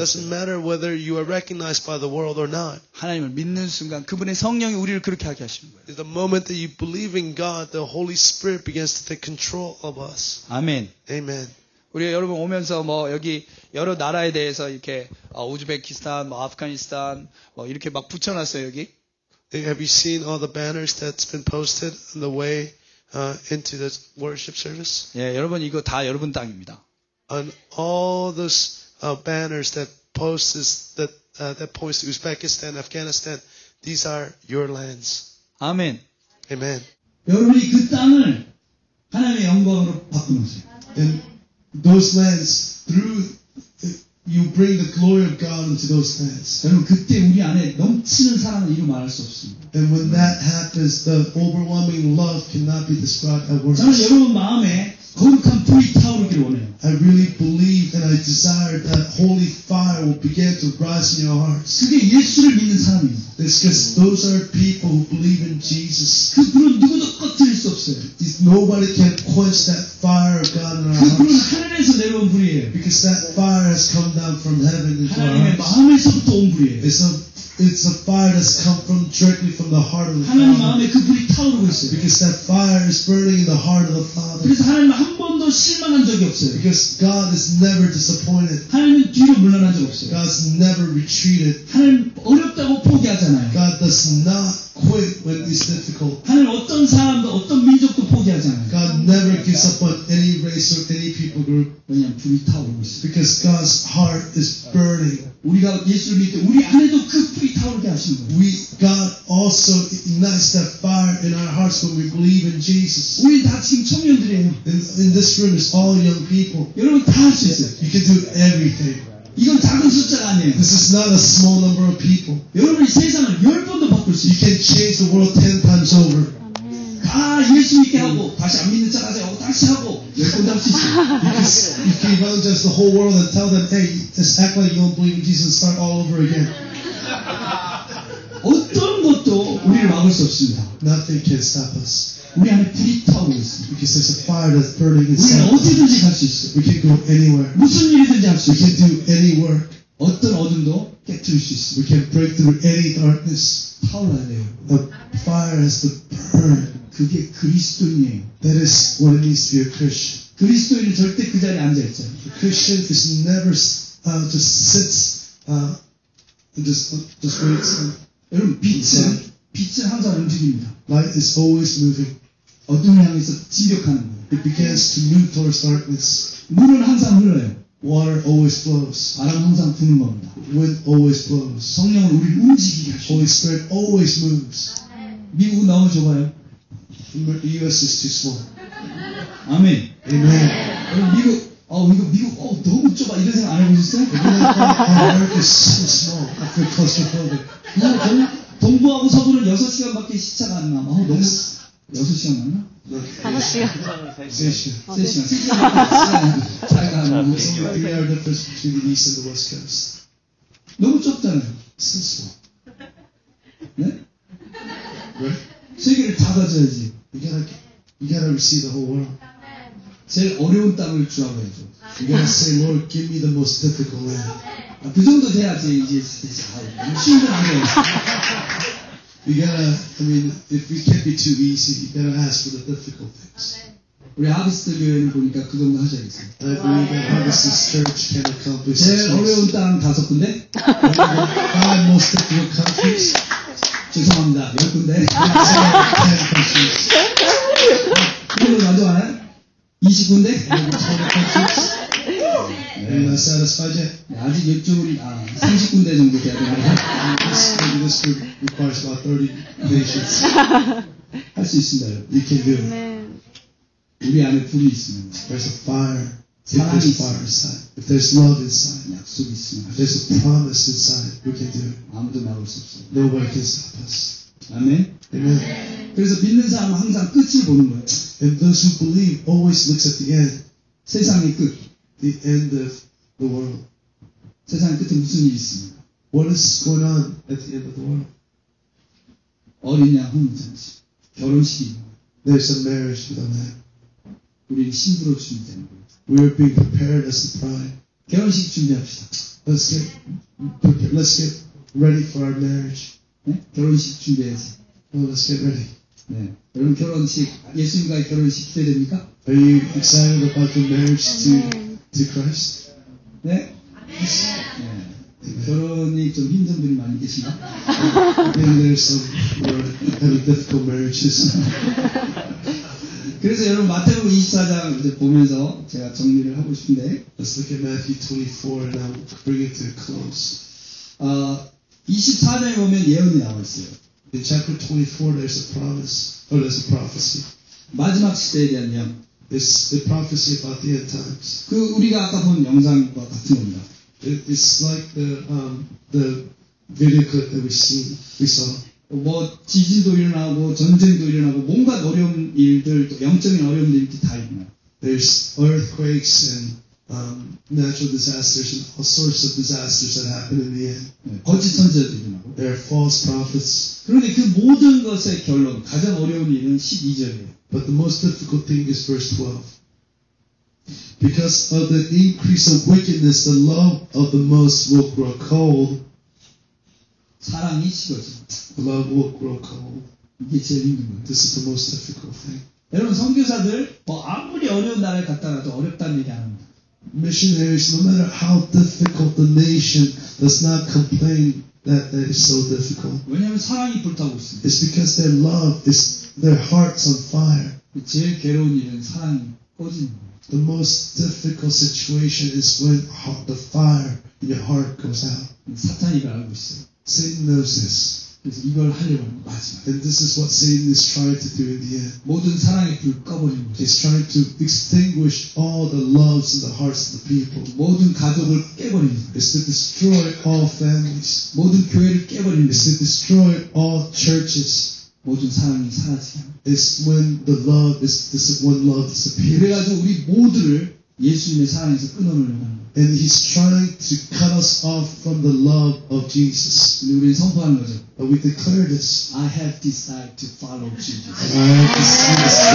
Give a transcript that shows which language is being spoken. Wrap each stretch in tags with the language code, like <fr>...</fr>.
<en>It doesn't matter whether you are recognized by the world or not.</en> <ko>하나님을 믿는 순간 그분의 성령이 우리를 그렇게 하게 하시는 거예요.</ko> <en>The moment that you believe in God, the Holy Spirit begins to take control of us.</en> <ko>아멘.</ko> <en>Amen.</en> <ko>우리 여러분 오면서 뭐 여기 여러 나라에 대해서 이렇게 우즈베키스탄, 뭐 아프가니스탄 뭐 이렇게 막 붙여놨어요 여기.</ko> <en>Have you seen all the banners that's been posted on the way into the worship service?</en> <ko>예, 여러분 이거 다 여러분 땅입니다.</ko> <en>And all those banners that posts that that points to Uzbekistan, Afghanistan, these are your lands.</en> <ko>아멘.</ko> <en>Amen.</en> <ko>여러분이 그 땅을 하나님의 영광으로 바꾸세요.</ko> <en>And those lands through you bring the glory of God into those lands.</en> <ko>여러분 그때 우리 안에 넘치는 사랑은 이루 말할 수 없습니다.</ko> <en>And when that happens, the overwhelming love cannot be described at words.</en> <ko>저는 여러분 마음에 거룩한 불이 타오르기를 원해요.</ko> <en>I really believe and I desire that holy fire will begin to rise in your hearts.</en> <ko>그게 예수를 믿는 사람입니다.</ko> <en>It's because those are people who believe in Jesus.</en> <ko>그 불은 누구도 꺼뜨릴 수 없어요.</ko> <en>Nobody can quench that fire of God in our hearts.</en> <ko>그 불은 하늘에서 내려온 불이에요.</ko> <en>Because that fire has come down from heaven into our hearts.</en> <ko>하나님의 마음에서부터 온 불이에요.</ko> <en>It's a fire that's come from directly from the heart of the Father.</en> <ko>하나님 마음에 그 불이 타오르고 있어요.</ko> <en>Because that fire is burning in the heart of the Father.</en> <ko>그래서 하나님 한 번도 실망한 적이 없어요.</ko> <en>Because God is never disappointed.</en> <ko>하나님 뒤로 물러난 적 없어요.</ko> <en>God's never retreated.</en> <ko>하나님 어렵다고 포기하잖아요.</ko> <en>God does not quit when it's difficult.</en> <ko>하나님 어떤 사람도 어떤 민족도 포기하잖아요.</ko> <en>God never gives up on any race or any people group.</en> <ko>왜냐면 불이 타오르고 있어요.</ko> <en>Because God's heart is burning.</en> <ko>우리가 예수를 믿을 때 우리 안에도 그 불이 타오르게 하시는 거예요.</ko> <en>We God also ignites that fire in our hearts when we believe in Jesus.</en> <ko>우리 다 지금 청년들이에요.</ko> <en>In this room is all young people.</en> <ko>여러분 다 할 수 있어요.</ko> <en>You can do everything.</en> <ko>이건 작은 숫자가 아니에요.</ko> <en>This is not a small number of people.</en> <ko>여러분 이 세상을 열 번도 바꿀 수 있어요.</ko> <en>You can change the world 10 times over.</en> <ko>아, 예수 믿게 하고 다시 안 믿는 척 하세요. 다시 하고 열 번도 할 수 있어요.</ko> <en>You can evangelize the whole world and tell them, hey, just act like you don't believe in Jesus and start all over again.</en> <ko>어떤 것도 우리를 막을 수 없습니다.</ko> <en>Nothing can stop us.</en> <ko>우리 안에 불이 타오르고 있어요.</ko> <en>Because there's a fire that's burning inside.</en> <ko>우리는 어디든지 갈 수 있어요.</ko> <en>We can go anywhere.</en> <ko>무슨 일이든지 할 수 있어요.</ko> <en>We can do any work.</en> <ko>어떤 어둠도 깨뜨릴 수 있어요.</ko> <en>We can break through any darkness.</en> <ko>타오르야 돼요.</ko> <en>The fire has to burn.</en> <ko>그게 그리스도인이에요.</ko> <en>That is what it means to be a Christian.</en> <ko>그리스도인은 절대 그 자리에 앉아있잖아요.</ko> <en>A Christian is never just sits just waits.</en> <ko>여러분 빛은 항상 움직입니다.</ko> <en>Light is always moving.</en> <ko>어둠을 향해서 진격하는 거예요.</ko> <en>It begins to move towards darkness.</en> <ko>물은 항상 흘러요.</ko> <en>Water always flows.</en> <ko>바람 항상 부는 겁니다.</ko> <en>Wind always blows.</en> <ko>성령은 우리를 움직이게 하시죠.</ko> <en>Holy Spirit always moves.</en> <ko>미국 너무 좁아요.</ko> <en>The U.S. is too small.</en> <ko>아멘.</ko> <en>Amen.</en> <ko>미국, 미국, 너무 좁아. 이런 생각 안 해보셨어요?</ko> <en>America is so small. I feel claustrophobic.</en> <ko>동부하고 서부는 6시간밖에 시차가 안 나. 너무 6시간 맞나? 5시간. 3시간. 차이가 안 나.</ko> <en>The difference between the East and the West Coast.</en> <ko>너무 좁잖아요.</ko> <en>So small.</en> <ko>네? 왜? 세계를 다 가져야지.</ko> <en>You gotta receive the whole world.</en> <ko>제일 어려운 땅을 주라고 해줘.</ko> <en>You gotta say, Lord, give me the most difficult land.</en> <ko>그 정도 돼야지 이제 잘 쉬운 거 아니에요.</ko> <en>You gotta, I mean, if we can't be too easy, you better ask for the difficult things.</en> <ko>우리 하비스트 교회는 보니까 그 정도 하자 있어요.</ko> <en>I believe that Harvest's church can accomplish this.</en> <ko>제일 어려운 땅 다섯 군데?</ko> <en>Five most difficult countries.</en> <ko>죄송합니다. 몇 군데? 이걸로 나도 안 해? 20 군데?</ko> <en>Am I satisfied yet?</en> <ko>네, 아직 6주일, 아, 30군데 정도 돼야 되는데.</ko> <en>This group requires about 30 nations.</en> <ko>할 수 있습니다.</ko> <en>You can do it.</en> <ko>우리 안에 불이 있으면,</ko> <en>there's a fire. There's a fire inside. If there's love inside,</en> <ko>약속이 있으면,</ko> <en>if there's a promise inside, we can do it.</en> <ko>아무도 막을 수 없어요.</ko> <en>Nobody can stop us. Amen? Amen.</en> <ko>그래서 믿는 사람은 항상 끝을 보는 거예요.</ko> <en>And those who believe always looks at the end.</en> <ko>세상의 끝.</ko> <en>The end of the world.</en> <ko>세상 끝에 무슨 일이 있습니까?</ko> <en>What is going on at the end of the world?</en> <ko>어린이와 혼인잔치. 결혼식이.</ko> <en>There's a marriage with a man.</en> <ko>우리는 신부로 준비되는 거예요.</ko> <en>We are being prepared as a bride.</en> <ko>결혼식 준비합시다.</ko> <en>Let's get prepared. Let's get ready for our marriage.</en> <ko>네? 결혼식 준비해서.</ko> <en>Let's get ready.</en> <ko>네. 여러분 결혼식, 예수님과의 결혼식 기대됩니까?</ko> <en>Are you excited about the marriage to to Christ?</en> <ko>네? 네. 결혼이 좀 힘든 분이 많이 계시나?</ko> <en>And there's some who are having difficult marriages.</en> <ko>그래서 여러분 마태복음 24장 이제 보면서 제가 정리를 하고 싶은데</ko> <en>Let's look at Matthew 24 and I'll bring it to a close.</en> <ko>24장에 보면 예언이 나와 있어요.</ko> <en>In chapter 24 there's a promise, or there's a prophecy.</en> <ko>마지막 시대에 대한 예언.</ko> <en>It's the prophecy about the end times.</en> <ko>그 우리가 아까 본 영상과 같은 겁니다.</ko> <en>It's like the video clip that we saw.</en> <ko>뭐 지진도 일어나고 전쟁도 일어나고 뭔가 어려운 일들 또 영적인 어려운 일들이 다 있나요?</ko> <en>There's earthquakes and natural disasters and all sorts of disasters that happen in the end.</en> <ko>네, 거짓 선지자도 일어나고.</ko> <en>There are false prophets.</en> <ko>그런데 그 모든 것의 결론 가장 어려운 일은 12절이에요.</ko> <en>But the most difficult thing is verse 12. Because of the increase of wickedness, the love of the most will grow cold.</en> <ko>사랑이 식어진다.</ko> <en>Love will grow cold.</en> <ko>이게 제일 힘든 거예요.</ko> <en>This is the most difficult thing.</en> <ko>여러분 선교사들 뭐 아무리 어려운 나라에 갔다가도 어렵다는 얘기 안 합니다.</ko> <en>Missionaries, no matter how difficult the nation, does not complain that it is so difficult.</en> <ko>왜냐하면 사랑이 불타고 있습니다.</ko> <en>It's because their love is their hearts on fire.</en> <ko>제일 괴로운 일은 사랑이 꺼지는 거예요.</ko> <en>The most difficult situation is when the fire in your heart goes out.</en> <ko>사탄이 알고 있어요.</ko> <en>Satan knows this.</en> <ko>그래서 이걸 하려고 하는 마지막.</ko> <en>And this is what Satan is trying to do in the end.</en> <ko>모든 사랑의 불 꺼버리는 거예요.</ko> <en>He's trying to extinguish all the loves in the hearts of the people.</en> <ko>모든 가족을 깨버리는 거예요.</ko> <en>It's to destroy all families.</en> <ko>모든 교회를 깨버리는 거예요.</ko> <en>It's to destroy all churches.</en> <ko>모든 사랑이 사라지게 하는 거예요.</ko> <en>It's when the love is, this is when love disappears.</en> <ko>그래가지고 우리 모두를 예수님의 사랑에서 끊어놓으려고 하는 거예요.</ko> <en>And he's trying to cut us off from the love of Jesus.</en> <ko>우리는 선포하는 거죠.</ko> <en>But we declare this. I have decided to follow Jesus.</en>